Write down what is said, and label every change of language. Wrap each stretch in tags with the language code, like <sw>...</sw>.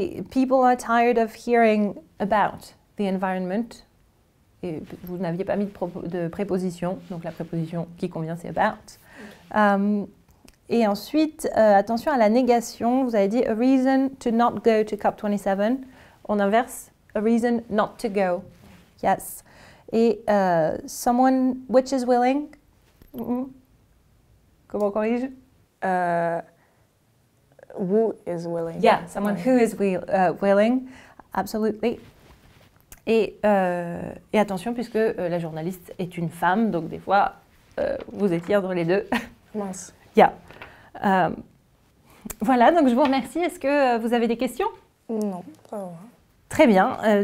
<en>People are tired of hearing about the environment.</en> <fr>Et vous n'aviez pas mis de préposition, donc la préposition qui convient, c'est about. Et ensuite, attention à la négation, vous avez dit</fr> <en>a reason to not go to COP27.</en> <fr>On inverse,</fr> <en>a reason not to go. Yes.</en> <fr>Et</fr> <en>someone which is willing.</en> <fr>Comment corrige?</fr> <en>Who is willing. Yeah, someone who is willing. Absolutely.</en> <fr>Et attention, puisque la journaliste est une femme, donc des fois, vous étiez entre les deux. Mince.</fr> <en>Yeah.</en> <fr>Voilà, donc je vous remercie. Est-ce que vous avez des questions? Non, pas vraiment. Très bien.</fr>